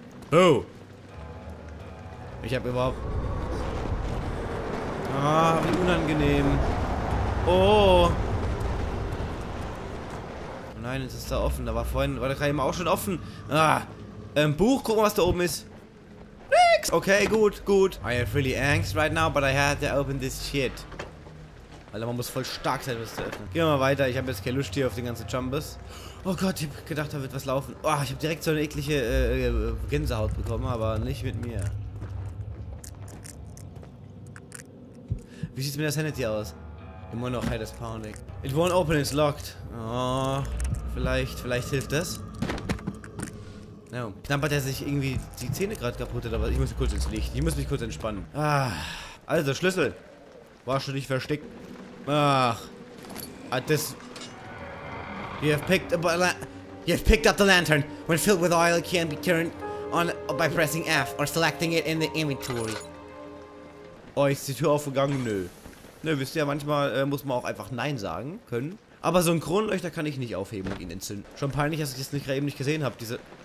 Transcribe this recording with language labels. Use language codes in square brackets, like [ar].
[de] Oh. Ich habe überhaupt... Ah, wie unangenehm. Oh. Nein, es ist da offen. Da war vorhin, war da gerade eben auch schon offen. Ah, Buch, guck mal, was da oben ist. Nix. Okay, gut, gut. [en] I have really angst right now, but I had to open this shit. [de] Alter, man muss voll stark sein, was zu öffnen. Gehen wir mal weiter. Ich habe jetzt keine Lust hier auf den ganzen Jumbus. Oh Gott, ich habe gedacht, da wird was laufen. Oh, ich habe direkt so eine eklige Gänsehaut bekommen, aber nicht mit mir. Wie sieht's mit der Sanity aus? Immer noch [en] Head is pounding. It won't open, it's locked. [de] Oh, vielleicht hilft das. No. Knabbert er sich irgendwie die Zähne gerade kaputt oder was? Ich muss kurz ins Licht. Ich muss mich kurz entspannen. Ah. Also, Schlüssel. Warst du nicht versteckt? Ach. Ah, das. [en] You have picked up the lantern. When filled with oil, it can be turned on by pressing F or selecting it in the inventory. [de] Oh, ist die Tür aufgegangen? Nö. Ne, wisst ihr, manchmal muss man auch einfach Nein sagen können. Aber so einen Kronleuchter kann ich nicht aufheben und ihn entzünden. Schon peinlich, dass ich das nicht gerade eben nicht gesehen habe, diese...